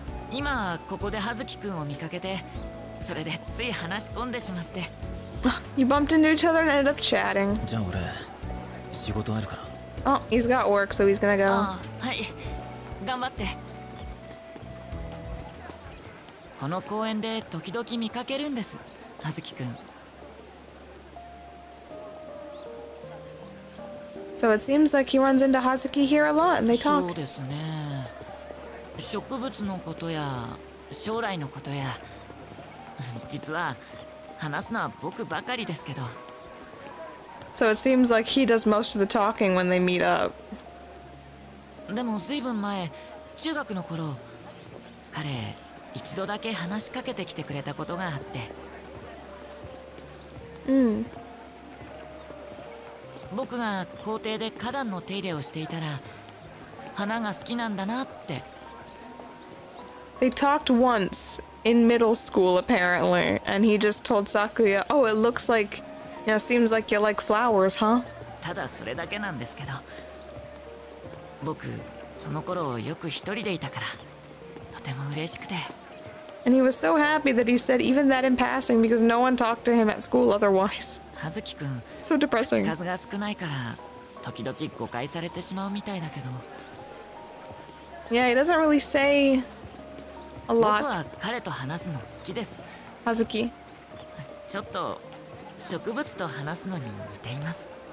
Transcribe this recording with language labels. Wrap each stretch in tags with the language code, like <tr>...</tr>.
<ja>今ここでハズキ君を見かけて、それでつい話し込んでしまって。</ja> <en>You bumped into each other and ended up chatting.</en> <ja>じゃあ俺仕事あるから。</ja> <en>Oh, he's got work, so he's gonna go.</en> <ja>はい。頑張って。この公園で時々見かけるんです、葉月くん。</ja> <en>So it seems like he runs into Hazuki here a lot and they talk.</en> <ja>そうですね。植物のことや将来のことや、実は話すのは僕ばかりですけど。</ja> <en>So it seems like he does most of the talking when they meet up.</en> <ja>でも随分前、中学の頃、彼一度だけ話しかけてきてくれたことがあって。うん。僕が校庭で花壇の手入れをしていたら、花が好きなんだなって。</ja> <en>They talked once in middle school apparently, and he just told Sakuya, "Oh, it looks like, yeah, seems like you like flowers, huh?"</en> <ja>ただそれだけなんですけど、僕その頃よく一人でいたからとても嬉しくて。</ja> <en>And he was so happy that he said even that in passing because no one talked to him at school otherwise. Hazuki-kun, so depressing.</en> <ja>口数が少ないから時々誤解されてしまうみたいだけど。</ja> <en>Yeah, he doesn't really say a lot.</en> <ja>僕は彼と話すの好きです。 Hazuki. ちょっと植物と話すのに似ています。</ja>